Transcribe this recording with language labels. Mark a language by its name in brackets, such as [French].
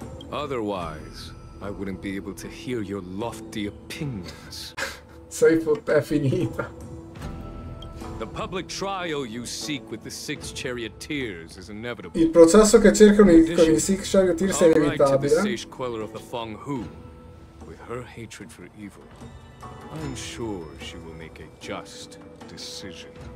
[English] Otherwise, I wouldn't be able to hear your lofty opinions. [Italian] Sei fottuto, è finita. [English] The public trial you seek with the Six Charioteers is inevitable. [Italian] Il processo che cercano con i Six Charioteers è inevitabile. [English] I'll write to the Sage Queller of the Fong Hu. With her hatred for evil, I'm sure she will make a just decision.